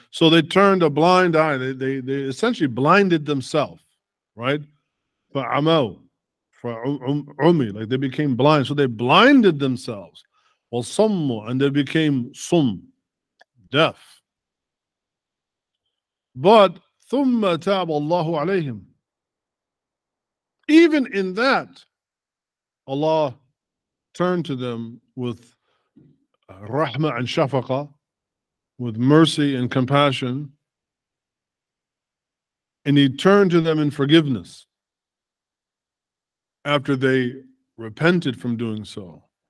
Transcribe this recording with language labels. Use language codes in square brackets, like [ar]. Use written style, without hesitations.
[en] So they turned a blind eye. They essentially blinded themselves. Right? [ar] فَعَمَوْا فَعُمِي. [en] Like they became blind. So they blinded themselves. [ar] وَصَمُّوا. [en] And they became sum, deaf. But [ar] ثُمَّ تَابَ اللَّهُ عَلَيْهِمْ. [en] Even in that, Allah turned to them with rahmah and shafaqa, with mercy and compassion, and He turned to them in forgiveness after they repented from doing so.